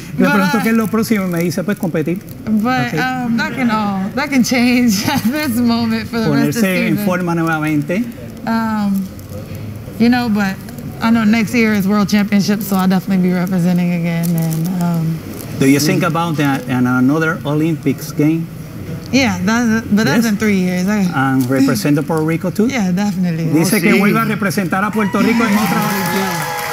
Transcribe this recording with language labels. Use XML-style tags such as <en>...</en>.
<es>Le pregunto qué es lo próximo y me dice, pues, competir.</es> <en>That can change at this moment for the</en> <es>ponerse</es> <en>rest of the season.</en> <es>Ponerse en forma nuevamente.</es> <en>You know, but I know next year is World Championship, so I'll definitely be representing again. And do you think about that and another Olympics game? Yeah, that's in 3 years. And represent Puerto Rico too? Yeah, definitely.</en> <es>Dice que vuelva a representar a Puerto Rico en otra Olimpiada.</es>